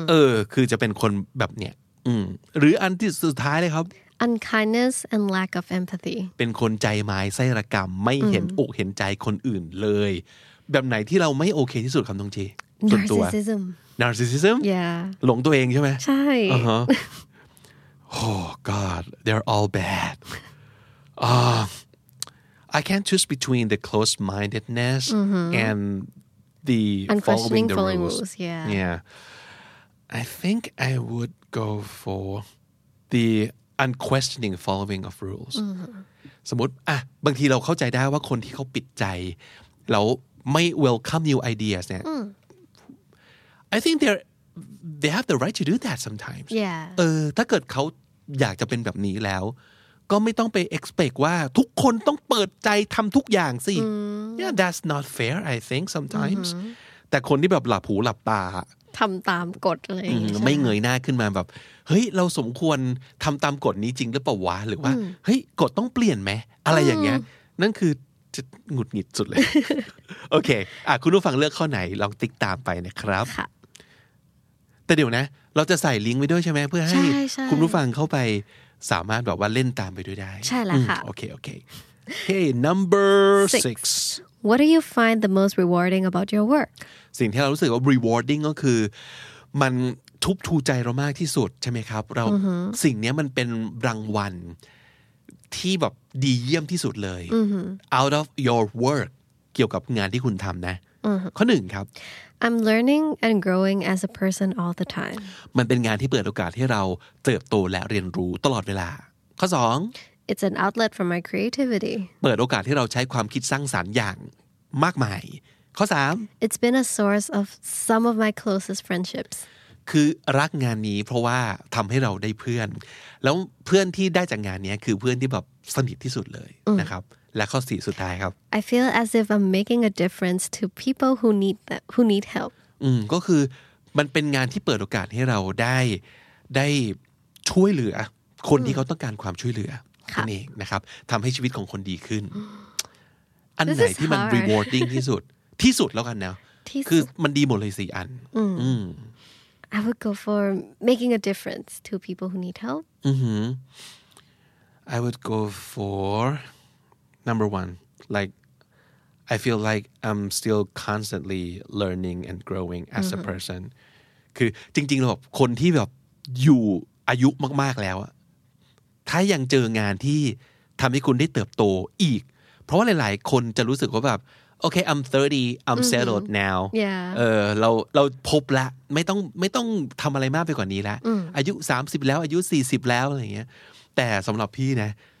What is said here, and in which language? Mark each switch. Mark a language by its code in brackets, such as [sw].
[th] อ คือจะเป็นคนแบบเนี้ยหรืออันที่สุดท้ายเลยครับ [en] unkindness and lack of empathy [th] เป็นคนใจไม้ไส้ระกำไม่เห็นอกเห็นใจคนอื่นเลยแบบไหนที่เราไม่โอเคที่สุดคำตรงจีส่ วน ตัว narcissism [en] narcissism yeah [th] หลงตัวเองใช่ไหม ใช่ [en] oh god they're all bad I can't choose between the closed-mindedness and the following the rules. Yeah. I think I would go for the unquestioning following of rules. [th] สมมุติอ่ะบางทีเราเข้าใจได้ว่าคนที่เขาปิดใจแล้วไม่ [en] welcome new ideas [th] เนี่ย [en] I think they have the right to do that sometimes. Yeah. [th] ถ้าเกิดเขาอยากจะเป็นแบบนี้แล้วก็ไม่ต้องไป expect ว่าทุกคนต้องเปิดใจทำทุกอย่างสิ [en] Yeah that's not fair I think sometimes [th] แต่คนที่แบบหลับหูหลับตา ทำตามกฎอะไร ไม่เงยหน้าขึ้นมาแบบเฮ้ยเราสมควรทำตามกฎนี้จริงหรือเปล่าวะหรือว่าเฮ้ยกฎต้องเปลี่ยนไหมอะไรอย่างเงี้ยนั่นคือจะหงุดหงิดสุดเลยโอเคคุณผู้ฟังเลือกข้อไหนลองติ๊กตามไปนะครับแต่เดี๋ยวนะเราจะใส่ลิงก์ไว้ด้วยใช่ไหมเพื่อให้ คุณผู้ฟังเข้าไปสามารถแบบว่าเล่นตามไปด้วยได้ ใช่แล้วค่ะ โอเคโอเคเฮ้ย [en] number six What do you find the most rewarding about your work [th] สิ่งที่เรารู้สึกว่า rewarding ก็คือมันทุบทูใจเรามากที่สุดใช่ไหมครับเราสิ่งนี้มันเป็นรางวัลที่แบบดีเยี่ยมที่สุดเลย [en] out of your work [th] เกี่ยวกับงานที่คุณทำนะข้อหนึ่งครับ [en] I'm learning and growing as a person all the time [th] มันเป็นงานที่เปิดโอกาสให้เราเติบโตและเรียนรู้ตลอดเวลาข้อสอง [en] It's an outlet for my creativity [th] เปิดโอกาสให้เราใช้ความคิดสร้างสรรค์อย่างมากมายข้อสาม [en] It's been a source of some of my closest friendships [th] คือรักงานนี้เพราะว่าทำให้เราได้เพื่อนแล้วเพื่อนที่ได้จากงานนี้คือเพื่อนที่แบบสนิทที่สุดเลยนะครับและข้อสี่สุดท้ายครับ [en] I feel as if I'm making a difference to people who need that who need help [th] ก็คือมันเป็นงานที่เปิดโอกาสให้เราได้ช่วยเหลือคนที่เขาต้องการความช่วยเหลือนั่ นเองนะครับทำให้ชีวิตของคนดีขึ้นอันไหนที่มัน rewarding ที่สุดที่สุดแล้วกันนะคือมันดีหมดเลยสี่อัน [en] I would go for making a difference to people who need help I would go forNumber one, like, I feel like I'm still constantly learning and growing as a person. [th] คือจริงๆแล้วแบบคนที่แบบอยู่อายุมากๆแล้วถ้ายังเจองานที่ทำให้คุณได้เติบโตอีกเพราะว่าหลายๆคนจะรู้สึกว่าแบบโอเค [en] I'm 30 I'm settled now [th] เราพบละไม่ต้องทำอะไรมากไปกว่านี้ละอายุ30แล้วอายุ40แล้วอะไรเงี้ยแต่สำหรับพี่นะ